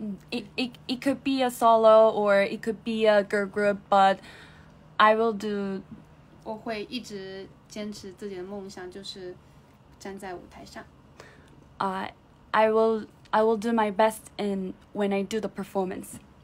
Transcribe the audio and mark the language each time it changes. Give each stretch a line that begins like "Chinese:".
English: it could be a solo or it could be a girl group, but I will do.
Chinese: 我会一直坚持自己的梦想，就是站在舞台上。
English: I will do my best in when I do the performance.